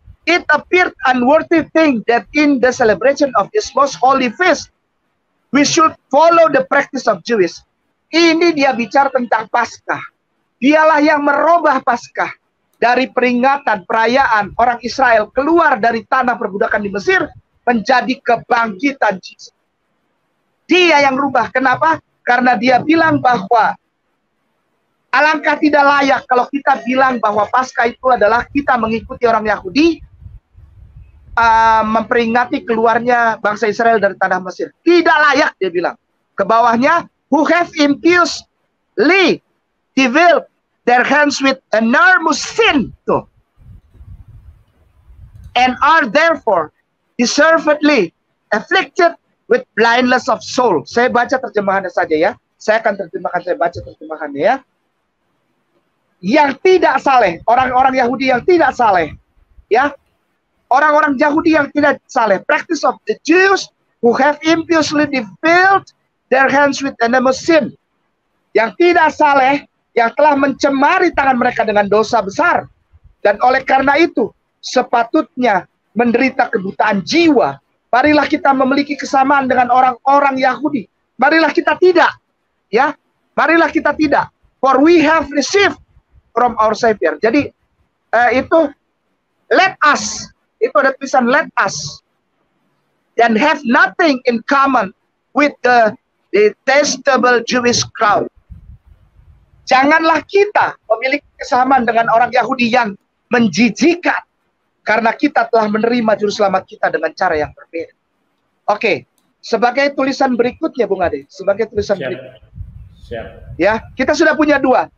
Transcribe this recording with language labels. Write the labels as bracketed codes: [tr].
[en] It appeared unworthy thing that in the celebration of this most holy feast, we should follow the practice of Jews. [id] Ini dia bicara tentang Paskah. Dialah yang merubah Paskah dari peringatan perayaan orang Israel keluar dari tanah perbudakan di Mesir menjadi kebangkitan Yesus. Dia yang rubah. Kenapa? Karena dia bilang bahwa alangkah tidak layak kalau kita bilang bahwa Paskah itu adalah kita mengikuti orang Yahudi memperingati keluarnya bangsa Israel dari tanah Mesir. Tidak layak, dia bilang. Ke bawahnya, [en] who have impiously defiled their hands with enormous sin, tuh, and are therefore deservedly afflicted with blindness of soul. [id] Saya baca terjemahannya saja ya. Saya baca terjemahannya ya. Yang tidak saleh, orang-orang Yahudi yang tidak saleh, ya. Orang-orang Yahudi yang tidak saleh, [en] practice of the Jews who have impiously defiled their hands with enormous sin. [id] Yang tidak saleh, yang telah mencemari tangan mereka dengan dosa besar. Dan oleh karena itu, sepatutnya menderita kebutaan jiwa. Marilah kita memiliki kesamaan dengan orang-orang Yahudi. Marilah kita tidak. Ya, marilah kita tidak. [en] For we have received from our Savior. [id] Jadi, itu, [en] let us. [id] Itu ada tulisan [en] let us and have nothing in common with the detestable Jewish crowd. [id] Janganlah kita memiliki kesamaan dengan orang Yahudi yang menjijikan karena kita telah menerima juru selamat kita dengan cara yang berbeda. Oke, sebagai tulisan berikutnya Bung Ade, sebagai tulisan siap. Berikutnya. Siap. Ya, kita sudah punya dua.